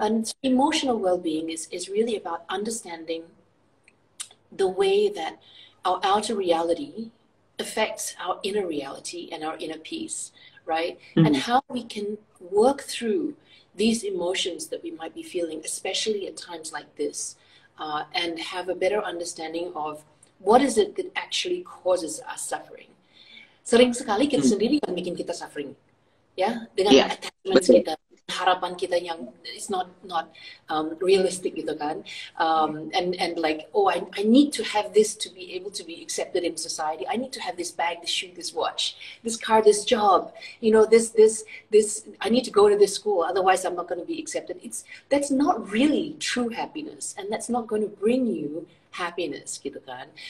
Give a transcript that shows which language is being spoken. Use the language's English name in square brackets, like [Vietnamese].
[English] And emotional well-being is really about understanding the way that our outer reality affects our inner reality and our inner peace, right? Mm. And how we can work through these emotions that we might be feeling, especially at times like this, and have a better understanding of what is it that actually causes us suffering? [Indonesian] Sering sekali kita sendiri yang bikin kita suffering, ya, dengan yeah, attachment kita, harapan kita yang [English] it's not realistic gitu kan, and like oh I need to have this to be able to be accepted in society. I need to have this bag, this shoe, this watch, this car, this job. You know this. I need to go to this school, otherwise I'm not going to be accepted. That's not really true happiness, and that's not going to bring you happiness, gitu kan.